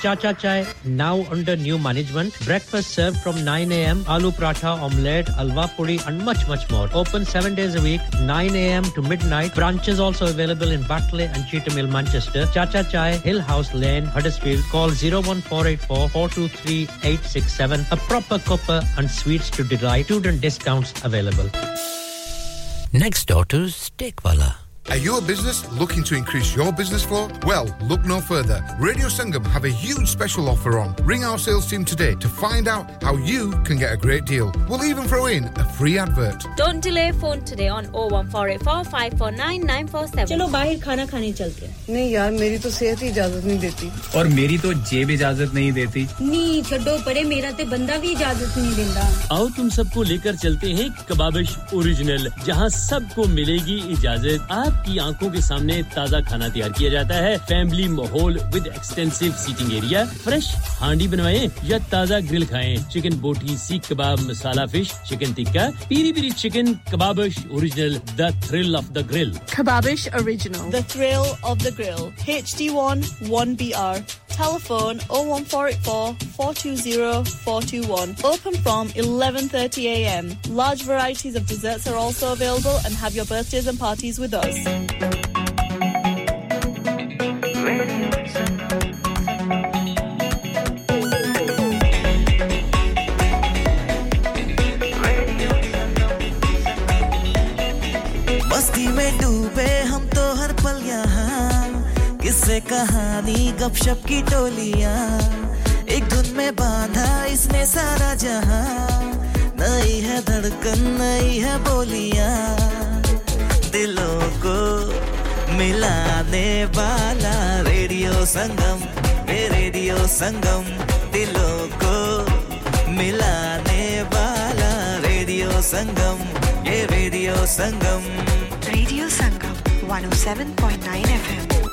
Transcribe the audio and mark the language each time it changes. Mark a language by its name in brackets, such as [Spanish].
[English] Chacha Chai now under new management breakfast serve from 9 am aloo paratha omelette halwa puri and much much more open 7 days a week 9 am to midnight branches also available in Batley and Cheetham Hill Manchester Chacha Chai Hill House Lane Huddersfield call 01484423867 a proper cuppa and sweets to delight Discounts available. Next door to Steakwala. Are you a business looking to increase your business flow? Well, look no further. Radio Sangam have a huge special offer on. Ring our sales team today to find out how you can get a great deal. We'll even throw in a free advert. Don't delay phone today on 01484549947. [Hindi] चलो बाहर खाना खाने चलते हैं। नहीं यार मेरी तो सेहत ही इजाजत नहीं देती। और मेरी तो जेब इजाजत नहीं देती। नहीं छोड़ो बड़े मेरा तो बंदा भी इजाजत नहीं देता। आओ तुम सबको लेकर चलते हैं कबाबिश ओरिजिनल जहां सबको मिलेगी इजाजत। की आंखों के सामने ताजा खाना तैयार किया जाता है फैमिली माहौल [English] with extensive seating area [Hindi] fresh हांडी बनवाएं या ताजा ग्रिल खाएं चिकन बोटी सीख कबाब मसाला fish chicken tikka Piri Piri chicken Kababish original [English] the thrill of the grill [Hindi] Kababish original [English] The thrill of the grill HD1 1BR telephone 01484420421 open from 11:30 a.m. large varieties of desserts are also available and have your birthdays and parties with us [Hindi] masti mein doobe hum to har pal yahan kisse kahani gupshup ki toliyan ek dhun mein bandha isne sara jahan nayi hai dhadkan nayi hai boliyan दिलों को मिलाने वाला radio संगम दिलों को मिलाने वाला [English] radio Sangam 107.9 FM